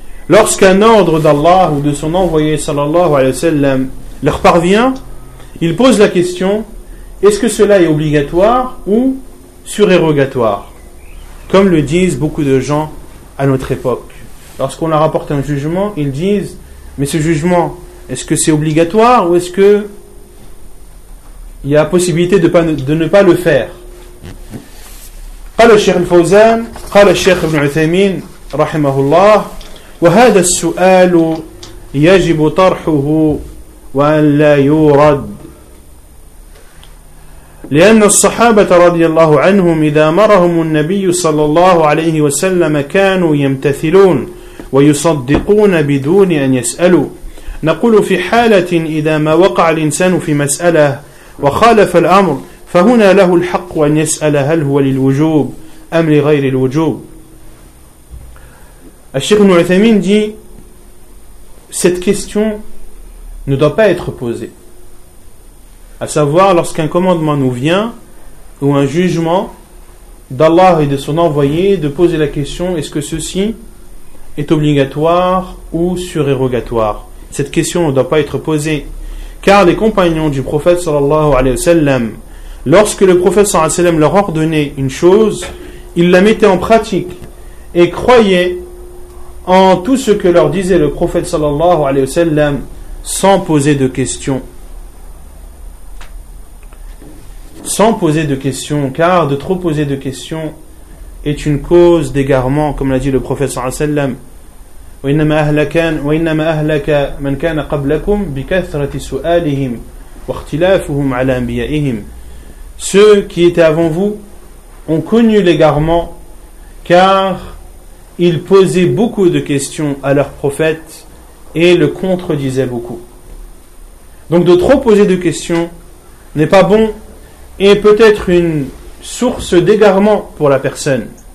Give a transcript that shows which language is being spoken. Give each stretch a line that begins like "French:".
French: Lorsqu'un ordre d'Allah ou de son envoyé sallallahu alayhi wa sallam leur parvient, ils posent la question: est-ce que cela est obligatoire ou surérogatoire? Comme le disent beaucoup de gens à notre époque. Lorsqu'on leur apporte un jugement, ils disent: Mais ce jugement, est-ce que c'est obligatoire ou est-ce que il y a possibilité de ne pas le faire?
Arabic: قال الشيخ الفوزان قال الشيخ ابن عثيمين رحمه الله وهذا السؤال يجب طرحه وأن لا يورد لأن الصحابة رضي الله عنهم إذا أمرهم النبي صلى الله عليه وسلم كانوا يمتثلون ويصدقون بدون أن يسألوا نقول في حالة إذا ما وقع الإنسان في مسألة وخالف الأمر فهنا له الحق أن يسأل هل هو للوجوب أم لغير الوجوب.
French: الشيخ ابن عثيمين dit cette question ne doit pas être posée, à savoir lorsqu'un commandement nous vient ou un jugement d'Allah et de son envoyé, de poser la question est-ce que ceci est obligatoire ou surérogatoire. Cette question ne doit pas être posée, car les compagnons du prophète sallallahu alayhi wa sallam, lorsque le prophète sallallahu alayhi wa sallam leur ordonnait une chose, ils la mettaient en pratique et croyaient en tout ce que leur disait le prophète sallallahu alayhi wa sallam sans poser de questions. Sans poser de questions, car de trop poser de questions est une cause d'égarement, comme l'a dit le prophète sallallahu alayhi wa sallam.
Arabic: وإنما أهلك من كان قبلكم بكثرة سؤالهم واختلافهم على أنبيائهم.
French: Ceux qui étaient avant vous ont connu l'égarement car ils posaient beaucoup de questions à leurs prophètes et le contredisaient beaucoup. Donc de trop poser de questions n'est pas bon et peut être une source d'égarement pour la personne.